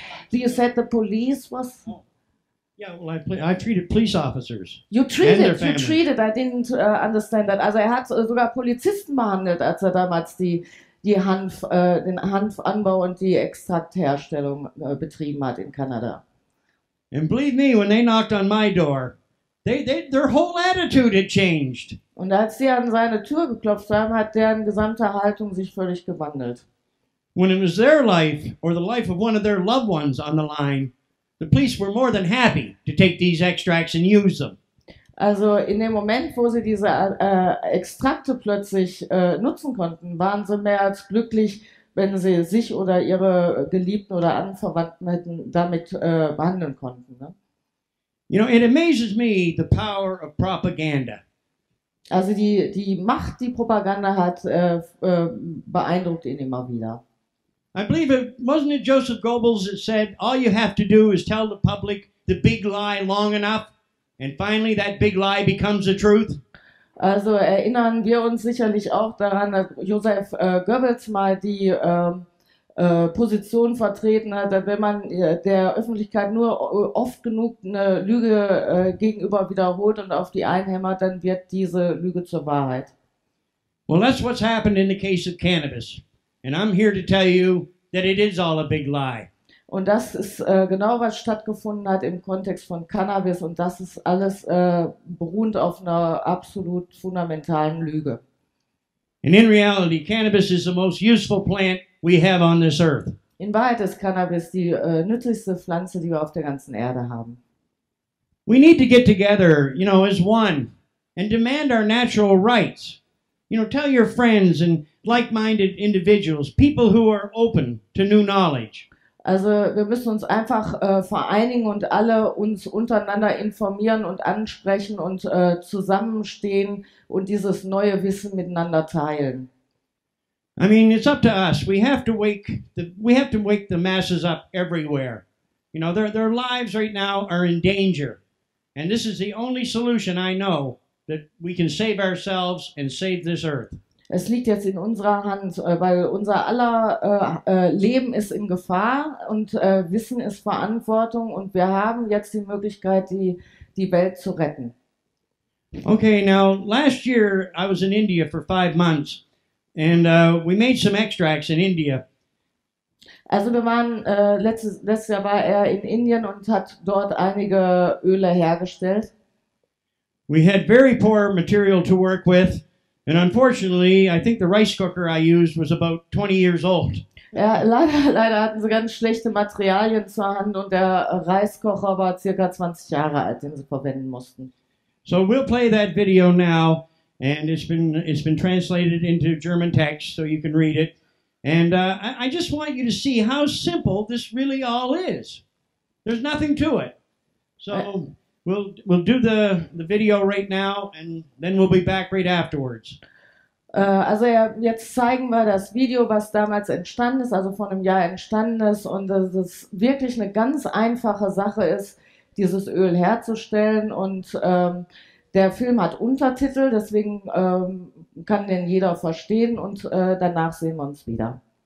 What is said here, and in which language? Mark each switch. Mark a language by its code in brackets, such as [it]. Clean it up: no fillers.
[en] you said the police was... Yeah, well, I treated police officers. You treated, and their you treated. I didn't understand that. [de] Also, er hat sogar Polizisten behandelt, als er damals den Hanfanbau und die Extraktherstellung betrieben hat in Kanada. [en] And believe me, when they knocked on my door, their whole attitude had changed. [de] Und als sie an seine Tür geklopft haben, hat deren gesamte Haltung sich völlig gewandelt. [en] When it was their life or the life of one of their loved ones on the line. The police were more than happy to take these extracts and use them. [de] Also in dem Moment, wo sie diese Extrakte plötzlich nutzen konnten, waren sie mehr als glücklich, wenn sie sich oder ihre Geliebten oder Anverwandten hätten damit behandeln konnten. Ne? [en] You know, it amazes me the power of propaganda. [de] Also die Macht, die Propaganda hat, beeindruckt ihn immer wieder. [en] I believe it wasn't it Joseph Goebbels that said, all you have to do is tell the public the big lie long enough, and finally that big lie becomes the truth. [de] Also erinnern wir uns sicherlich auch daran, dass Joseph Goebbels mal die Position vertreten hat, dass wenn man der Öffentlichkeit nur oft genug eine Lüge gegenüber wiederholt und auf die einhämmert, dann wird diese Lüge zur Wahrheit. [en] Well, that's what's happened in the case of cannabis. And I'm here to tell you that it is all a big lie. [de] Und das ist genau, was stattgefunden hat im Kontext von Cannabis. Und das ist alles beruht auf einer absolut fundamentalen Lüge. [en] And in reality, cannabis is the most useful plant we have on this earth. [de] In Wahrheit ist Cannabis die nützlichste Pflanze, die wir auf der ganzen Erde haben. [en] We need to get together, you know, as one, and demand our natural rights. You know, tell your friends and like-minded individuals, people who are open to new knowledge. [de] Also wir müssen uns einfach vereinigen und alle uns untereinander informieren und ansprechen und zusammenstehen und dieses neue Wissen miteinander teilen. [en] I mean, it's up to us. We have to wake the masses up everywhere. You know, their lives right now are in danger. And this is the only solution I know that we can save ourselves and save this earth. [de] Es liegt jetzt in unserer Hand, weil unser aller Leben ist in Gefahr und Wissen ist Verantwortung und wir haben jetzt die Möglichkeit, die Welt zu retten. [en] Okay, now last year I was in India for 5 months and we made some extracts in India. [de] Also wir waren, letztes Jahr war er in Indien und hat dort einige Öle hergestellt. [en] We had very poor material to work with. And unfortunately, I think the rice cooker I used was about 20 years old. [de] Ja, leider hatten sie ganz schlechte Materialien zur Hand und der Reiskocher war circa 20 Jahre alt, den sie verwenden mussten. [en] So we'll play that video now and it's been translated into German text so you can read it. And I just want you to see how simple this really all is. There's nothing to it. So We'll do the video right now and then we'll be back right afterwards. [de] Also jetzt zeigen wir das Video, was damals entstanden ist, also vor einem Jahr entstanden ist und dass es wirklich eine ganz einfache Sache ist, dieses Öl herzustellen und der Film hat Untertitel, deswegen kann den jeder verstehen und danach sehen wir uns wieder.